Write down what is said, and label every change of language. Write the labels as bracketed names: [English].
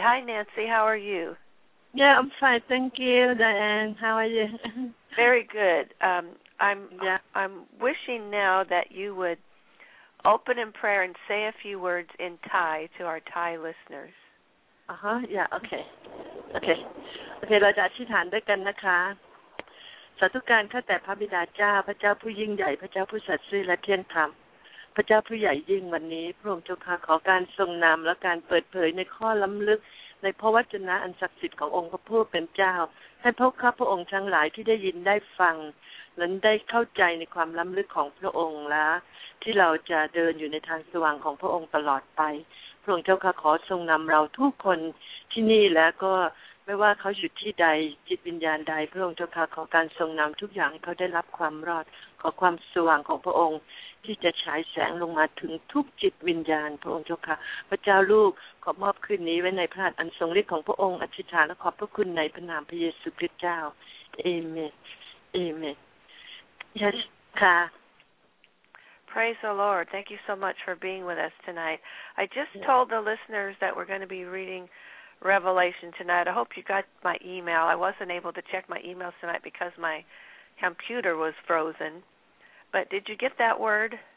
[English] Hi, Nancy. How are you? Yeah, I'm fine. Thank you, Diane. How are you? Very good. I'm wishing now that you would open in prayer and say a few words in Thai to our Thai listeners. Okay. [Thai] เราจะอธิษฐานด้วยกันนะคะสาธุการข้าแต่พระบิดาเจ้าพระเจ้าผู้ยิ่งใหญ่พระเจ้าผู้ศักดิ์สิทธิ์และเที่ยงธรรมพระเจ้าผู้ใหญ่ยิ่งวันนี้พระองค์เจ้าค่ะขอการทรงนำและการเปิดเผยในข้อล้ำลึกในพระวจนะอันศักดิ์สิทธิ์ขององค์พระผู้เป็นเจ้าให้พวกข้าพระองค์ทั้งหลายที่ได้ยินได้ฟัง และได้เข้าใจในความล้ำลึกของพระองค์และที่เราจะเดินอยู่ในทางสว่างของพระองค์ตลอดไปพระองค์เจ้าขอทรงนำเราทุกคนที่นี่และก็ ไม่ว่าเขาอยู่ที่ใดจิตวิญญาณใดพระองค์เจ้าขอการทรงนำทุกอย่างให้เขาได้รับความรอดขอความสว่างของพระองค์ที่จะฉายแสงลงมาถึงทุกจิตวิญญาณพระองค์เจ้าค่ะพระเจ้าลูกขอมอบคืนนี้ไว้ในพระหัตถ์อันทรงฤทธิ์ของพระองค์อธิษฐานและขอบพระคุณในพระนามพระเยซูคริสต์เจ้าเอเมนเอเมนยัสค่ะ [English] Praise the Lord. Thank you so much for being with us tonight. I just told the listeners that we're going to be reading Revelation tonight. I hope you got my email. I wasn't able to check my emails tonight because my computer was frozen. But did you get that word?